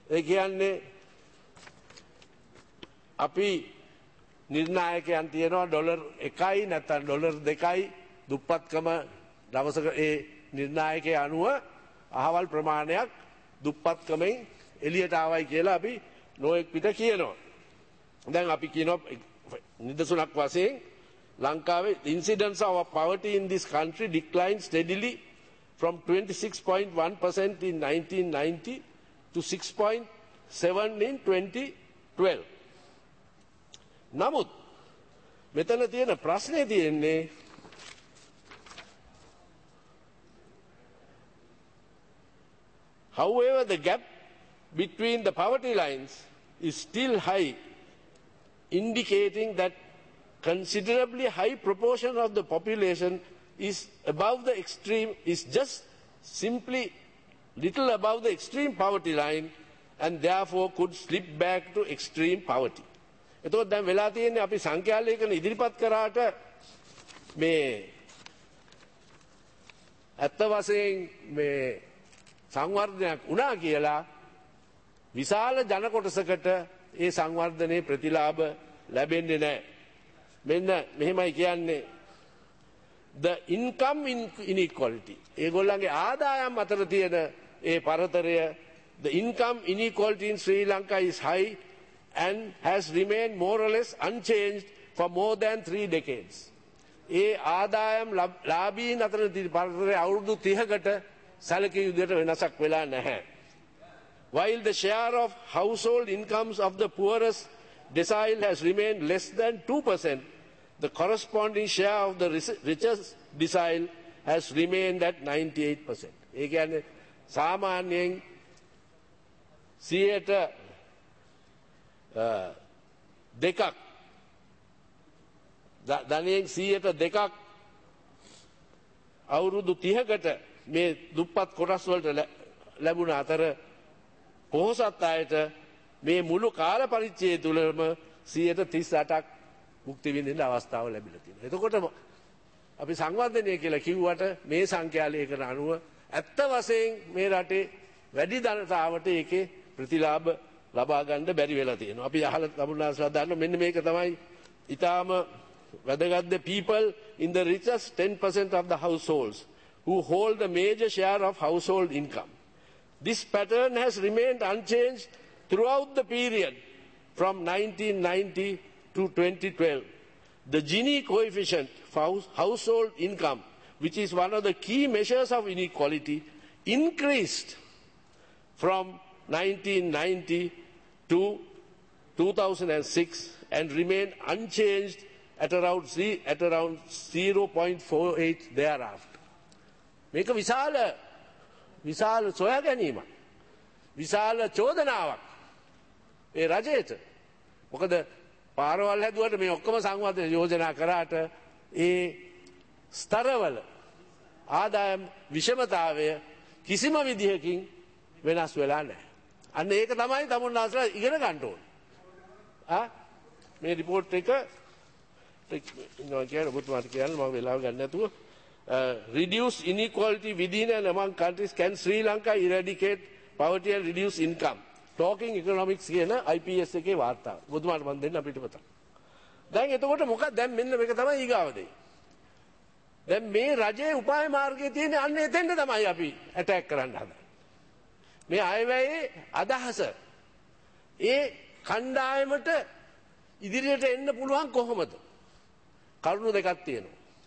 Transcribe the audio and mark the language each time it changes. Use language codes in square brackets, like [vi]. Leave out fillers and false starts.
[si] ඒ කියන්නේ අපි නිර්ණායකයන් තියනවා ඩොලර් 1යි නැත්නම් ඩොලර් 2යි දුප්පත්කම දවසක ඒ නිර්ණායකයේ අනුව අහවල් ප්‍රමාණයක් දුප්පත්කමෙන් එළියට ආවයි කියලා අපි නොඑක් පිට කියනවා. දැන් අපි කියනවා නිදසුනක් වශයෙන් ලංකාවේ [en] incidence of poverty in this country declined steadily from 26.1% in 1990 to 6.7% in 2012. [si] නමුත් මෙතන තියෙන ප්‍රශ්නේ තියෙන්නේ [en] However, the gap between the poverty lines is still high, indicating that considerably high proportion of the population is above the extreme, is just simply little above the extreme poverty line, and therefore could slip back to extreme poverty. [si] එතකොට දැන් වෙලා තියෙන්නේ අපි සංඛ්‍යාලේඛන ඉදිරිපත් කරාට මේ ඇත්ත වශයෙන් මේ සංවර්ධනයක් වුණා කියලා විශාල ජනකොටසකට ඒ සංවර්ධනයේ ප්‍රතිලාභ ලැබෙන්නේ නැහැ. මෙන්න මෙහෙමයි කියන්නේ [en] the income inequality. [si] ඒගොල්ලන්ගේ ආදායම් අතර තියෙන ඒ පරතරය [en] the income inequality in Sri Lanka is high and has remained more or less unchanged for more than 3 decades. [si] ඒ ආදායම් ලාභීන් අතර තියෙන පරතරය අවුරුදු 30කට සැලකිය යුතු වෙනසක් වෙලා නැහැ. [en] While the share of household incomes of the poorest decile has remained less than 2%, the corresponding share of the richest decile has remained at 98%. [si] ඒ කියන්නේ සාමාන්‍යයෙන් 100ට දෙකක් ධනයෙන් 100ට දෙකක් අවුරුදු 30කට මේ දුප්පත් කොටස් වලට ලැබුණ අතර පොහොසත් අයට මේ මුළු කාල පරිච්ඡේදය තුළම 138ක් භුක්ති විඳින්න අවස්ථාව ලැබිලා තියෙනවා. එතකොට අපි සංවර්ධනය කියලා කිව්වට මේ සංඛ්‍යාලේඛන අනුව ඇත්ත වශයෙන් මේ රටේ වැඩි ජනතාවට ඒකේ ප්‍රතිලාභ ලබා ගන්න බැරි වෙලා තියෙනවා. අපි අහලා ලබුණාස්ලා දාන්න මෙන්න මේක තමයි ඊටාම වැදගත් ද [en] people in the richest 10% of the households who hold the major share of household income. This pattern has remained unchanged throughout the period from 1990 to 2012. The Gini coefficient for household income, which is one of the key measures of inequality, increased from 1990 to 2006 and remained unchanged at around 0.48 thereafter. [si] Meka visala විශාල සොයා ගැනීමක් විශාල චෝදනාවක් ඒ රජයට. මොකද පාරවල් හැදුවට මේ ඔක්කොම සංවර්ධන යෝජනා කරාට ඒ ස්තරවල ආදායම් විෂමතාවය කිසිම විදිහකින් වෙනස් වෙලා නැහැ. අන්න ඒක තමයි තමුන්නාසලා ඉගෙන ගන්න ඕනේ. ආ මේ රිපෝට් එක ඉන්නවා ඔබතුමාට කියන්න මම වෙලාව ගන්න නැතුව. [en] Reduce inequality within and among countries. Can Sri Lanka eradicate poverty and reduce income? [si] Talking Economics කියන IPS එකේ වාර්තාව. බුදුමාට මන් දෙන්න පිටපතක්. දැන් එතකොට මොකක්ද දැන් මෙන්න මේක තමයි ඊගාව දෙය. දැන් මේ රජයේ උපාය මාර්ගයේ තියෙන අන්න එතෙන්ද තමයි අපි ඇටැක් කරන්න හදන්නේ. මේ අයවැයේ අදහස ඒ කණ්ඩායමට ඉදිරියට එන්න පුළුවන් කොහොමද? කරුණු දෙකක් තියෙනවා.